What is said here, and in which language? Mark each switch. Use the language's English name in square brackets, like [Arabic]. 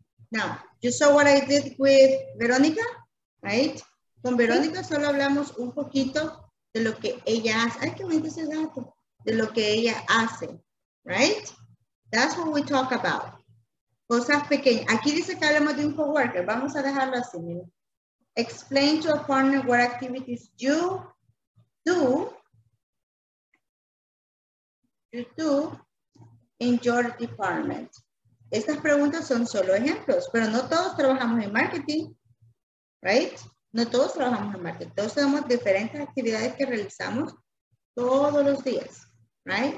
[English] Now, you saw what I did with Veronica, right? [Spanish] Con Veronica solo hablamos un poquito de lo que ella hace. Ay, qué bonito ese dato. De lo que ella hace, right? [English] That's what we talk about. [Spanish] Cosas pequeñas. Aquí dice que hablamos de un coworker. Vamos a dejarlo así. Mira. [English] Explain to a partner what activities you do in your department. [Spanish] Estas preguntas son solo ejemplos, pero no todos trabajamos en marketing, right? No todos trabajamos en marketing. Todos tenemos diferentes actividades que realizamos todos los días, right?